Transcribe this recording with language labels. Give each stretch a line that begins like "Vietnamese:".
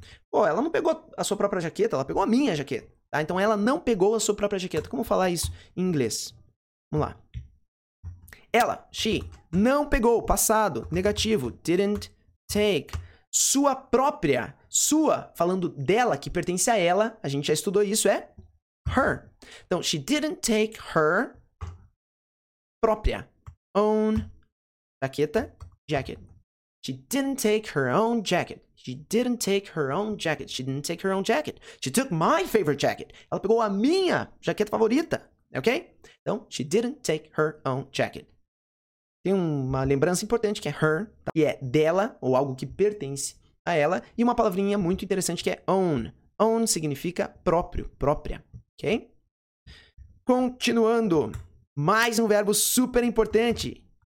Portuguese: Pô, ela não pegou a sua própria jaqueta, ela pegou a minha jaqueta. Tá? Então, ela não pegou a sua própria jaqueta. Como falar isso em inglês? Vamos lá. Ela, she, não pegou, passado, negativo, didn't take, sua própria, sua, falando dela, que pertence a ela, a gente já estudou isso, é her.
English: Então, she didn't take her própria, own jaqueta, jacket. She didn't take her own jacket. She didn't take her own jacket. She didn't take her own jacket. She took my favorite jacket.
Portuguese: Ela pegou a minha jaqueta favorita, ok?
English: Então, she didn't take her own jacket.
Portuguese: Tem uma lembrança importante que é her, que é dela ou algo que pertence a ela. E uma palavrinha muito interessante que é own. Own significa próprio, própria, ok? Continuando, mais um verbo super importante.